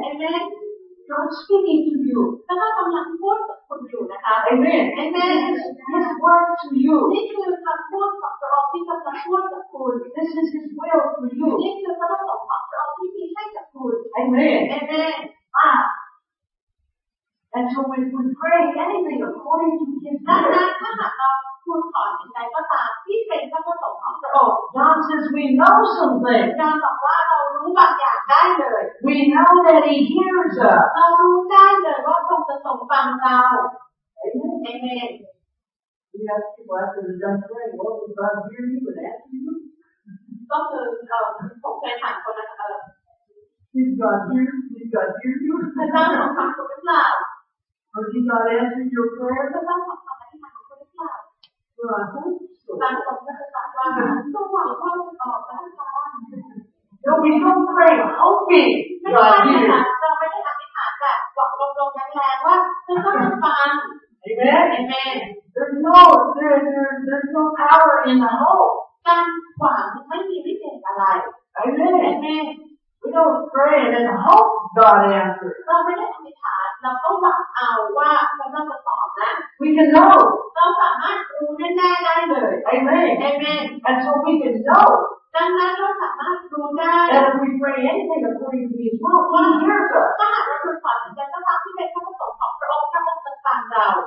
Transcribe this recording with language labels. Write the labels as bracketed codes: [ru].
[en] Amen God speaking to you [th] พระเจ้ากำลังพูดกับคุณอยู่นะคะ [en] Amen Amen His word to you [th] นี่คือคำพูดของพระองค์ที่กำลังพูดกับคุณ [en] This is His will for you [th] นี่คือพระประสงค์ของพระองค์ที่มีให้กับคุณ [en] Amen Amen And so when we pray anything according to His will, that that [th] ถ้าเราพูดขอในใจก็ตามที่เป็นพระประสงค์ของพระองค์ [en] John says we know something. [th] John บอกว่าเรารู้บางอย่างได้เลย [en] We know that He hears us. [th] เรารู้ได้เลยว่าพระองค์จะทรงฟังเรา [en] Amen. Amen. We ask people after we're done praying, "Well, did God hear you and answer you?" [th] ก็คือผมเคยถามคนนะคะ [en] Did God hear? Did God hear you? [th] พระเจ้าทรงฟังคุณหรือเปล่า [en] Or did God answer your prayer? But that's not something I can do with God. Well, I hope so. No, we don't pray hoping God hears. We don't pray hoping God hears. We don't pray hoping God hears. Amen? Amen. There's no power in the hope. God hears. We don't pray hoping God hears. Amen. We don't pray and then hope God answers. [th] เราไม่ได้อธิษฐานเราต้องหวังเอาว่าพระเจ้าจะตอบนะ [en] We can know. [th] เราสามารถรู้แน่ๆได้เลย [en] Amen. Amen. And so we can know. [th] ดังนั้นเราสามารถรู้ได้ [en] And if we pray anything according to His will, He hears us. [th] ถ้าเราฝันจะต้องทำที่เป็นพระประสงค์ของพระองค์พระองค์จะฟังเรา